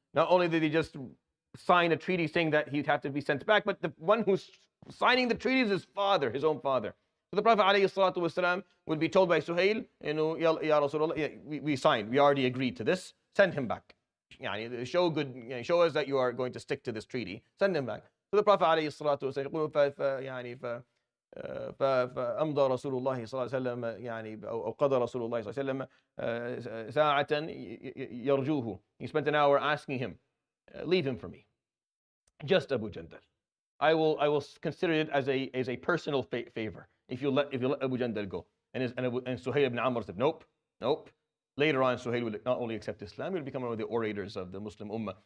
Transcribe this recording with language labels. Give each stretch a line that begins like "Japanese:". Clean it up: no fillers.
English: Not only did he just sign a treaty saying that he'd have to be sent back, but the one who's signing the treaty is his father, his own father. So the Prophet alayhi salatu wasalam would be told by Suhail, Ya Rasulullah, we signed, we already agreed to this, send him back. Show us that you are going to stick to this treaty, send him back. So the Prophet alayhi salatu wasalam would say,
Arabic: فَأَمْضَى رَسُولُ اللَّهِ صَلَّى اللَّهُ عَلَيْهِ وَسَلَّمَ أَوْ قَضَى رَسُولُ اللَّهِ صَلَّى اللَّهُ عَلَيْهِ وَسَلَّمَ سَاعَةً يَرْجُوهُ.
English: He spent an hour asking him, leave him for me. Just Abu Jandal. I will consider it as a personal favor. If you let Abu Jandal go. And Suhail ibn Amr said, nope. Later on, Suhail would not only accept Islam, he would become one of the orators of the Muslim Ummah.